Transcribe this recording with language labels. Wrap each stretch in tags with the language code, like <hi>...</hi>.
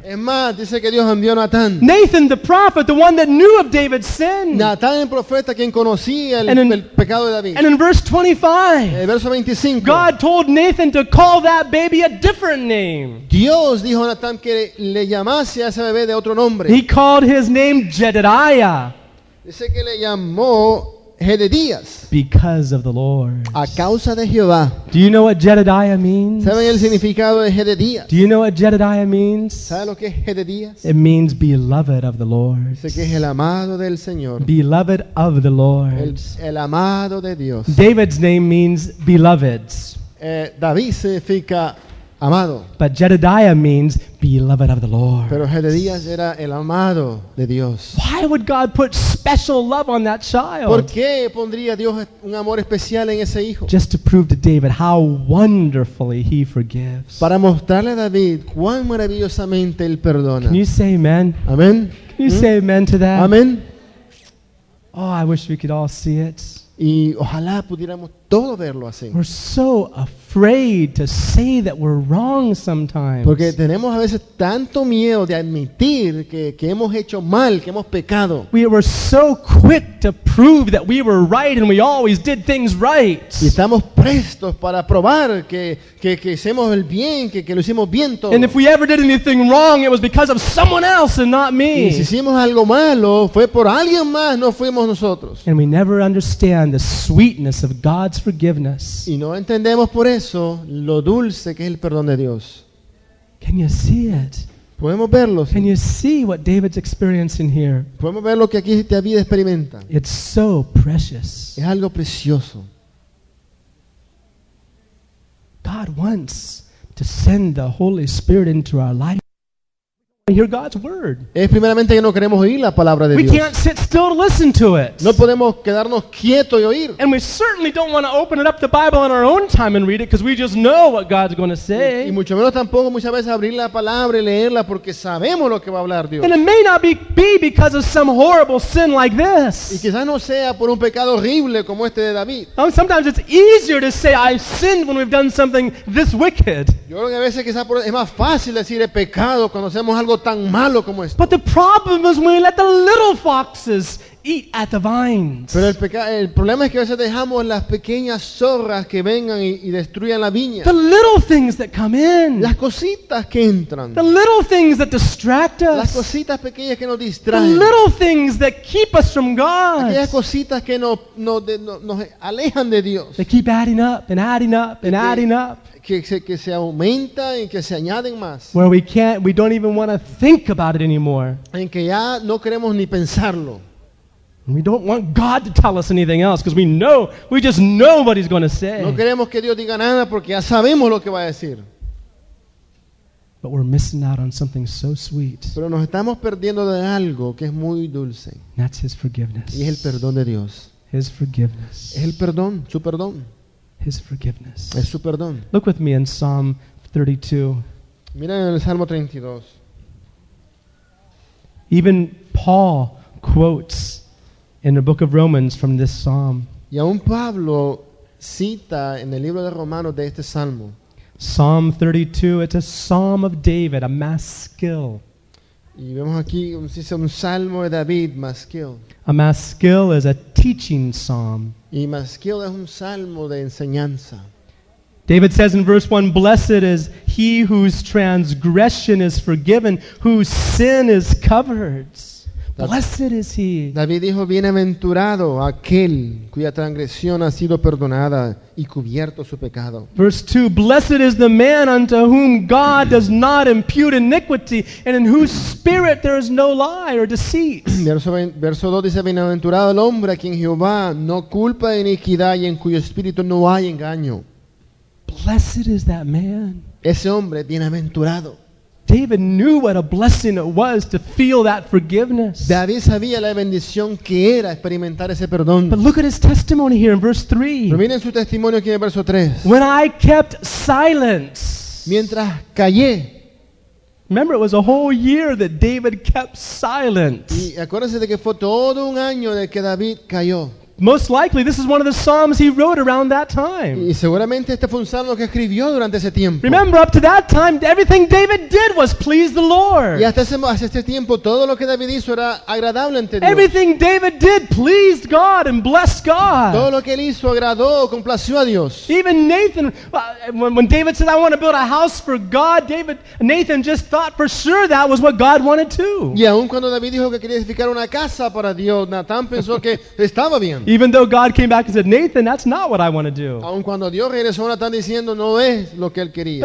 <es>Es más, dice que Dios envió a Natán.</es> <en>Nathan the prophet, the one that knew of David's sin.</en> <es>Natán el profeta, quien conocía el pecado de David.</es> <en>And in verse 25,</en> <es>el verso 25,</es> <en>God told Nathan to call that baby a different name.</en> <es>Dios dijo a Natán que le llamase a ese bebé de otro nombre.</es> <en>He called his name Jedediah.</en> <es>Dice que le llamó Jedidías.</es> <en>Because of the Lord.</en> <es>A causa de Jehová.</es> <en>Do you know what Jedidiah means?</en> <es>¿Saben el significado de Jedidías?</es> <en>Do you know what Jedidiah means?</en> <es>¿Saben lo que es Jedidías?</es> <en>It means beloved of the Lord.</en> <es>Dice que es el amado del Señor.</es> <en>Beloved of the Lord.</en> <es>El amado de Dios.</es> <en>David's name means beloved.</en> <es>David significa amado.</es> <en>But Jedidiah means beloved of the Lord.</en> <es>Pero Jedidías era el amado de Dios.</es> <en>Why would God put special love on that child?</en> <es>¿Por qué pondría Dios un amor especial en ese hijo?</es> <en>Just to prove to David how wonderfully he forgives.</en> <es>Para mostrarle a David cuán maravillosamente él perdona.</es> <en>Can you say amen?</en> <es>Amen.</es> <en>Can you say amen to that?</en> <es>Amen.</es> <en>Oh, I wish we could all see it.</en> <es>Y ojalá pudiéramos todo verlo así.</es> <en>We're so afraid to say that we're wrong sometimes.</en> <es>Porque tenemos a veces tanto miedo de admitir que hemos hecho mal, que hemos pecado.</es> <en>We were so quick to prove that we were right and we always did things right.</en> <es>Y estamos prestos para probar que hicimos el bien, que lo hicimos bien todo.</es> <en>And if we ever did anything wrong, it was because of someone else and not me.</en> <es>Y si hicimos algo malo, fue por alguien más, no fuimos nosotros.</es> <en>And we never understand the sweetness of God's forgiveness.</en> <es>Y no entendemos por eso lo dulce que es el perdón de Dios.</es> <en>Can you see it?</en> <es>Podemos verlo.</es> <en>Can you see what David's experiencing here?</en> <es>Podemos ver lo que aquí David experimenta.</es> <en>It's so precious.</en> <es>Es algo precioso.</es> <en>God wants to send the Holy Spirit into our life. Hear God's word.</en> <es>Es primeramente que no queremos oír la palabra de Dios.</es> <en>We can't sit still to listen to it.</en> <es>No podemos quedarnos quietos y oír.</es> <en>And we certainly don't want to open it up the Bible on our own time and read it because we just know what God's going to say.</en> <es>Y mucho menos tampoco muchas veces abrir la palabra y leerla porque sabemos lo que va a hablar Dios.</es> <en>And it may not be because of some horrible sin like this.</en> <es>Y quizás no sea por un pecado horrible como este de David.</es> <en>Sometimes it's easier to say I've sinned when we've done something this wicked.</en> <es>Yo creo que a veces quizás es más fácil decir he pecado cuando hacemos algo tan malo como esto.</es> <en>But the problem is when we let the little foxes eat at the vines.</en> <es>Pero el problema es que a veces dejamos las pequeñas zorras que vengan y destruyan la viña.</es> <en>The little things that come in.</en> <es>Las cositas que entran.</es> <en>The little things that distract us.</en> <es>Las cositas pequeñas que nos distraen.</es> <en>The little things that keep us from God.</en> <es>Aquellas cositas que nos alejan de Dios.</es> <en>They keep adding up and adding up and adding up.</en> <es>Que se aumenta y que se añaden más.</es> <en>Where we don't even want to think about it anymore.</en> <es>En que ya no queremos ni pensarlo.</es> <en>We don't want God to tell us anything else because we just know what he's going to say.</en> <es>No queremos que Dios diga nada porque ya sabemos lo que va a decir.</es> <en>But we're missing out on something so sweet.</en> <es>Pero nos estamos perdiendo de algo que es muy dulce.</es> <en>That's his forgiveness.</en> <es>Y es el perdón de Dios.</es> <en>His forgiveness.</en> <es>Es el perdón, su perdón.</es> <en>His forgiveness.</en> <es>Es su perdón.</es> <en>Look with me in Psalm 32.</en> <es>Mira en el Salmo 32.</es> <en>Even Paul quotes in the book of Romans from this psalm.</en> <es>Y aún Pablo cita en el libro de Romanos de este salmo.</es> <en>Psalm 32, it's a psalm of David, a maskil.</en> <es>Y vemos aquí un salmo de David, Masquil.</es> <en>A Masquil is a teaching psalm.</en> <es>Y Masquil es un salmo de enseñanza.</es> <en>David says in verse 1, blessed is he whose transgression is forgiven, whose sin is covered. Blessed is he.</en> <es>David dijo, bienaventurado aquel cuya transgresión ha sido perdonada y cubierto su pecado.</es> <en>Verse 2, blessed is the man unto whom God does not impute iniquity and in whose spirit there is no lie or deceit.</en> <es>Verso 2 dice, bienaventurado el hombre a quien Jehová no culpa de iniquidad y en cuyo espíritu no hay engaño.</es> <en>Blessed is that man.</en> <es>Ese hombre, bienaventurado.</es> <en>David knew what a blessing it was to feel that forgiveness.</en> <es>David sabía la bendición que era experimentar ese perdón.</es> <en>But look at his testimony here in verse 3.</en> <es>Miren su testimonio aquí en verso 3.</es> <en>When I kept silence.</en> <es>Mientras callé.</es> <en>Remember, it was a whole year that David kept silent.</en> <es>Y acuérdense de que fue todo un año de que David calló.</es> <en>Most likely, this is one of the psalms he wrote around that time.</en> <es>Y seguramente este fue un salmo que escribió durante ese tiempo.</es> <en>Remember, up to that time, everything David did was please the Lord.</en> <es>Y hasta ese tiempo, todo lo que David hizo era agradable ante Dios.</es> <en>Everything David did pleased God and blessed God.</en> <es>Todo lo que él hizo agradó, complació a Dios.</es> <en>Even Nathan, when David said, I want to build a house for God, Nathan just thought for sure that was what God wanted too.</en> <es>Y aun cuando David dijo que quería edificar una casa para Dios, Nathan pensó que estaba bien.</es> <en>Even though God came back and said, Nathan, that's not what I want to do.</en> <es>Aun cuando Dios regresó, Natán diciendo, no es lo que él quería.</es>